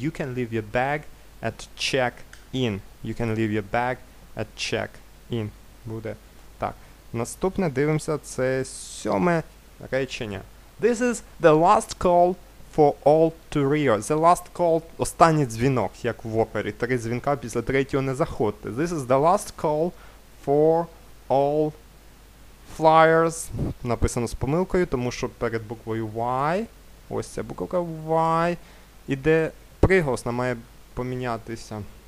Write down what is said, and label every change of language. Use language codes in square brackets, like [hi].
[en] You can leave your bag at check-in. You can leave your bag at check-in. [uk] Буде так. Наступне, дивимося, це сьоме речення. [en] This is the last call for all to Rio. The last call [uk] – останній дзвінок, як в опері. Три дзвінка, після третього не заходьте. [en] This is the last call for all flyers. [uk] Написано з помилкою, тому що перед буквою Y. Ось ця буква Y. Іде приголосна, має помінятися.